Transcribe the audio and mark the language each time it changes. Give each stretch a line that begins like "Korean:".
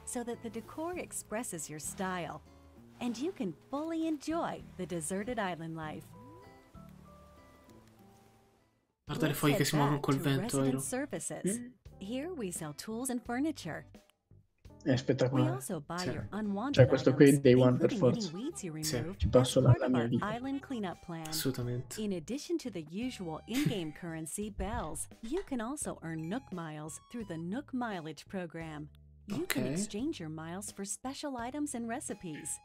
English: so that the decor expresses your style, and you can fully enjoy the deserted island life.
Italian: Guarda le foglie che si muovono col vento, Airo.
English: Here we sell tools and furniture.
Italian: È spettacolare. Sì. Cioè, questo qui è Day One per forza. Sì. Ci passo la mia vita. Assolutamente.
English: In addition to the usual in-game currency bells, you can also earn Nook Miles through the Nook Mileage program. You okay. can exchange your miles for special items and recipes.